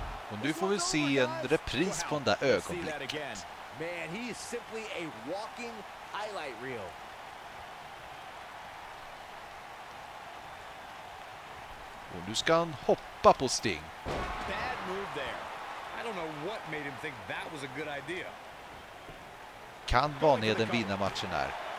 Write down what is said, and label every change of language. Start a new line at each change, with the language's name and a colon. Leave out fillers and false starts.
Swedish: Och nu får vi se en repris på den där ögonblicket.
English: Man, he is simply a walking highlight reel.
Swedish: Och nu ska han hoppa på Sting.
English: Bad move there. I don't know what made him think that was a good idea.
Swedish: Kan Vanheden vinna matchen här?